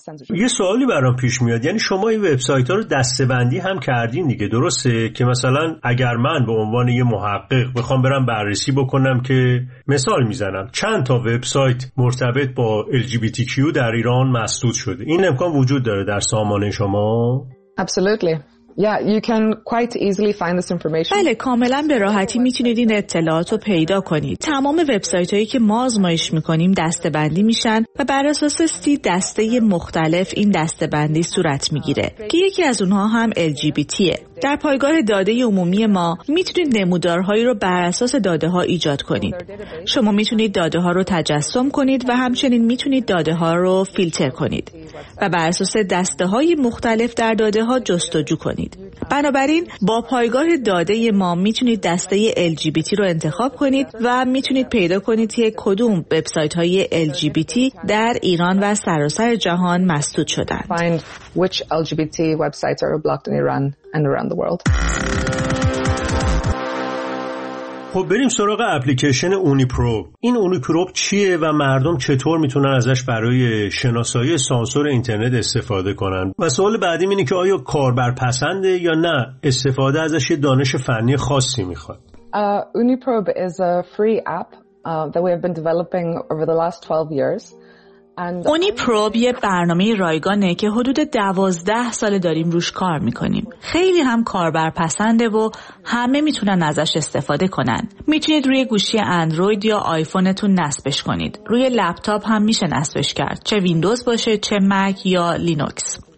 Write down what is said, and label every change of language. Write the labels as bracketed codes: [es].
[fa] یه سوالی برام پیش میاد، یعنی شما این وبسایت ها رو دسته‌بندی هم کردین دیگه، درسته؟ که مثلا اگر من به عنوان یه محقق بخوام برم بررسی بکنم که مثال میزنم چند تا وبسایت مرتبط با LGBTQ در ایران مسدود شده، این امکان وجود داره در سامانه شما؟ [en] Absolutely. Yeah, you can quite easily find this information. [fa] بله، کاملا به راحتی میتونید این اطلاعات رو پیدا کنید. تمام وبسایت‌هایی که ما آزمایش می‌کنیم دسته‌بندی میشن و بر اساس 30 دسته مختلف این دسته‌بندی صورت می‌گیره. که یکی از اونها هم LGBTه. در پایگاه داده عمومی ما میتونید نمودارهایی رو بر اساس داده ها ایجاد کنید. شما میتونید داده ها رو تجسم کنید و همچنین میتونید داده ها رو فیلتر کنید و بر اساس دسته های مختلف در داده ها جستجو کنید. بنابراین با پایگاه داده ما میتونید دسته LGBT رو انتخاب کنید و میتونید پیدا کنید که کدوم وبسایت های LGBT در ایران و سراسر جهان مسدود شدند. [en] Which LGBT websites are blocked in Iran and around the world. [fa] خب بریم سراغ اپلیکیشن اونیپروب. این اونیپروب چیه و مردم چطور میتونن ازش برای شناسایی سانسور اینترنت استفاده کنن؟ و سوال بعدی اینه که آیا کاربر پسنده یا نه، استفاده ازش یه دانش فنی خاصی میخواد؟ [en] اونیپروب is a free app that we have been developing over the last 12 years. [fa] اونی پروب یه برنامه رایگانه که حدود 12 سال داریم روش کار میکنیم. خیلی هم کاربر پسنده و همه میتونن ازش استفاده کنن. میتونید روی گوشی اندروید یا آیفونتون نصبش کنید. روی لپتاپ هم میشه نصبش کرد، چه ویندوز باشه، چه مک یا لینوکس.